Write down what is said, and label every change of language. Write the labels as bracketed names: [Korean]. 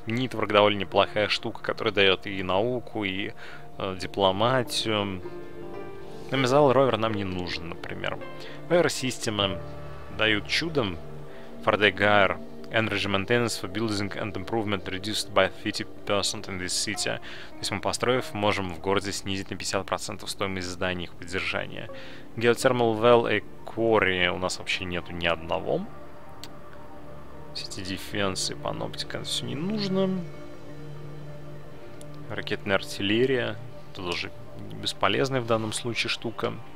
[Russian] Нитворк довольно неплохая штука, которая дает и науку, и дипломатию. Мизал Ровер нам не нужен, например. Ровер-системы дают чудом. Фардегар [English] energy maintenance for buildings and improvement reduced by 50% in this city. [Russian] То есть мы, построив, можем в городе снизить на 50% стоимость зданий их поддержания. Geothermal well и quarry у нас вообще нету ни одного. City defense и паноптика, это все не нужно. Ракетная артиллерия, это тоже бесполезная в данном случае штука.